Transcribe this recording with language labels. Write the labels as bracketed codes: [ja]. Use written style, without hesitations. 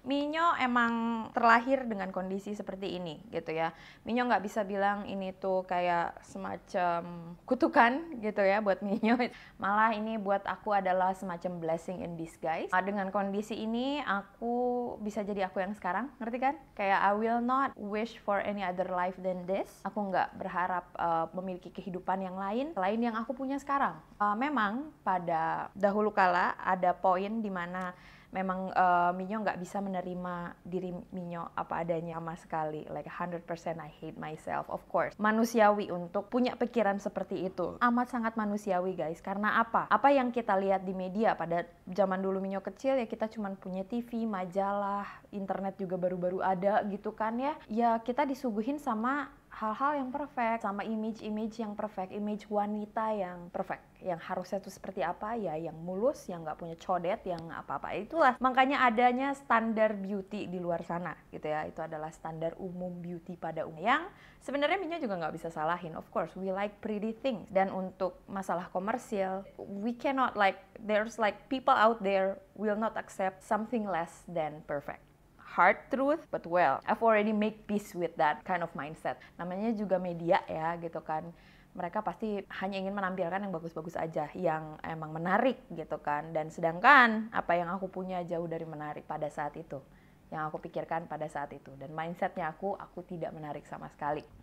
[id] Minyo emang terlahir dengan kondisi seperti ini gitu ya. Minyo nggak bisa bilang ini tuh kayak semacam kutukan gitu ya buat Minyo. Malah ini buat aku adalah semacam [en] blessing in disguise. [id] Dengan kondisi ini aku bisa jadi aku yang sekarang, ngerti kan? [en] Kayak I will not wish for any other life than this. [id] Aku nggak berharap memiliki kehidupan yang lain selain yang aku punya sekarang. Memang pada dahulu kala ada poin di mana memang Minyo nggak bisa menerima diri Minyo apa adanya sama sekali. [en] Like 100% I hate myself, of course. [id] Manusiawi untuk punya pikiran seperti itu. Amat sangat manusiawi, guys. Karena apa? Apa yang kita lihat di media pada zaman dulu Minyo kecil, ya kita cuma punya TV, majalah, internet juga baru-baru ada gitu kan ya. Ya kita disuguhin sama hal-hal yang perfect, sama image-image yang perfect, image wanita yang perfect, yang harusnya tuh seperti apa, ya yang mulus, yang gak punya codet, yang apa-apa, itulah. Makanya adanya standar beauty di luar sana, gitu ya, itu adalah standar umum beauty pada umum. Yang sebenarnya Minyo juga gak bisa salahin, [en] of course, we like pretty things. [id] Dan untuk masalah komersial, [en] we cannot like, there's like people out there will not accept something less than perfect. Hard truth, but well, I've already make peace with that kind of mindset. [id] Namanya juga media ya, gitu kan. Mereka pasti hanya ingin menampilkan yang bagus-bagus aja, yang emang menarik, gitu kan. Dan sedangkan, apa yang aku punya jauh dari menarik pada saat itu. Yang aku pikirkan pada saat itu. Dan mindsetnya aku tidak menarik sama sekali.